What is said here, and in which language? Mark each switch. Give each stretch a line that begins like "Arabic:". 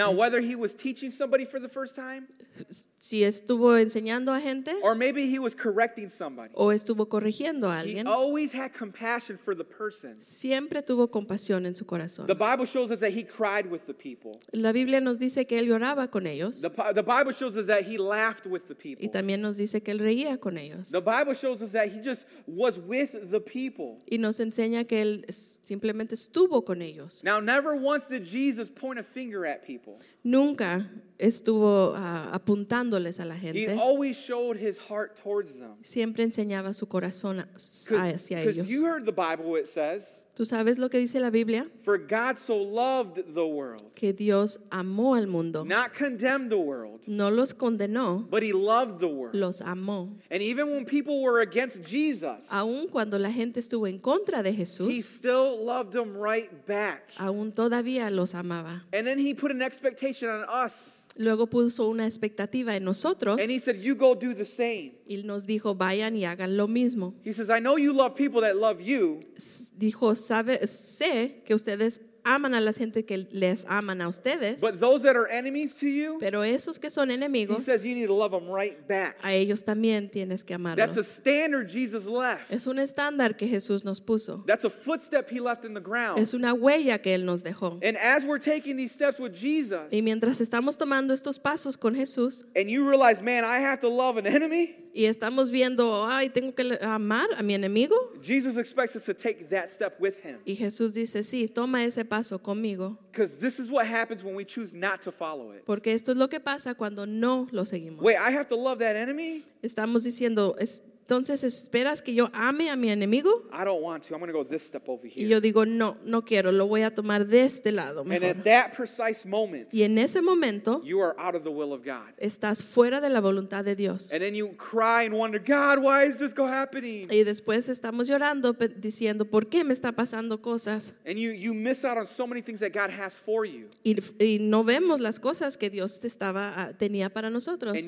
English: Now, whether he was teaching somebody for the first time,
Spanish: si estuvo enseñando a gente,
English: or maybe he was correcting somebody,
Spanish: o estuvo corrigiendo a alguien,
English: he always had compassion for the person.
Spanish: Siempre tuvo compasión en su corazón.
English: The Bible shows us that he cried with the people.
Spanish: La Biblia nos dice que él lloraba con ellos.
English: The Bible shows us that he laughed with the people.
Spanish: Y también nos dice que él reía con ellos.
English: The Bible shows us that he just was with the people.
Spanish: Y nos enseña que él simplemente estuvo con ellos.
English: Now, never once did Jesus point a finger at people.
Spanish: Nunca estuvo apuntándoles a la gente.
English: He always showed his heart towards them.
Spanish: Siempre enseñaba su corazón hacia ellos.
English: Because you heard the Bible, it says,
Spanish: ¿tú sabes lo que dice la Biblia?
English: For God so loved the world,
Spanish: que Dios amó al mundo.
English: Not condemned the world,
Spanish: no los condenó,
English: but he loved the world.
Spanish: Los amó.
English: And even when people were against Jesus,
Spanish: aun cuando la gente estuvo en contra de Jesús,
English: he still loved them right back.
Spanish: Aun todavía los amaba.
English: And then he put an expectation on us.
Spanish: Luego puso una expectativa en nosotros.
English: And he said, you go do the same.
Spanish: Y nos dijo, vayan y hagan lo mismo.
English: He says, I know you love people that love you.
Spanish: Dijo, sé que ustedes aman a la gente que les aman a ustedes.
English: But those that are enemies to you,
Spanish: pero esos que son enemigos,
English: he says, you need to love them right back.
Spanish: A ellos también tienes que amarlos.
English: That's a standard Jesus left.
Spanish: Es un estándar que Jesús nos puso.
English: That's a footstep he left in the ground.
Spanish: Es una huella que él nos dejó.
English: And as we're taking these steps with Jesus,
Spanish: y mientras estamos tomando estos pasos con Jesús,
English: and you realize, man, I have to love an enemy,
Spanish: y estamos viendo, ay, tengo que amar a mi enemigo,
English: Jesus expects us to take that step with him.
Spanish: Y Jesús dice, sí, toma ese paso conmigo.
English: Because this is what happens when we choose not to follow it.
Spanish: Porque esto es lo que pasa cuando no lo seguimos.
English: Wait, I have to love that enemy?
Spanish: Estamos diciendo, entonces esperas que yo ame a mi enemigo?
English: I don't want to. I'm going to go this step over here.
Spanish: Y yo digo, no quiero. Lo voy a tomar de este lado mejor.
English: And at that precise moment,
Spanish: y en ese momento,
English: you are out of the will of God.
Spanish: Estás fuera de la voluntad de Dios.
English: And then you cry and wonder, God, why is this happening?
Spanish: Y después estamos llorando, diciendo, ¿por qué me está pasando cosas?
English: And you miss out on so many things that God has for you.
Spanish: Y no vemos las cosas que Dios tenía para nosotros.